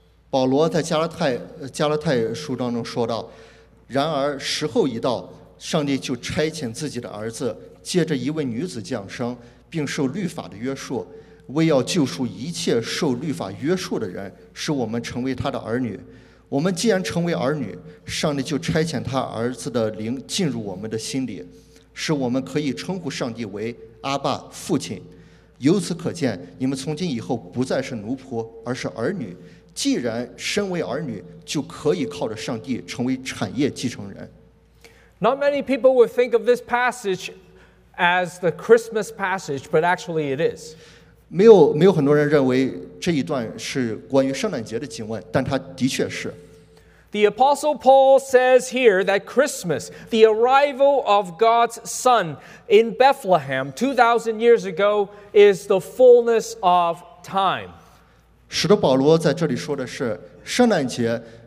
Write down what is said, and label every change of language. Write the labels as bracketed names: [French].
[Chinese] 保罗在加拉太书当中说道，然而时候一到，上帝就差遣自己的儿子，借着一位女子降生，并受律法的约束，为要救赎一切受律法约束的人，使我们成为他的儿女。我们既然成为儿女，上帝就差遣他儿子的灵进入我们的心里，使我们可以称呼上帝为阿爸父亲。由此可见，你们从今以后不再是奴仆，而是儿女。既然身为儿女，就可以靠着上帝成为产业继承人。 [English] Not many people would think of this passage as the Christmas passage, but actually it is. [Chinese] 没有很多人认为这一段是关于圣诞节的经文，但它的确是。 [English] The Apostle Paul says here that Christmas, the arrival of God's Son in Bethlehem 2,000 years ago, is the fullness of time. [Chinese] 使徒保罗在这里说的是，圣诞节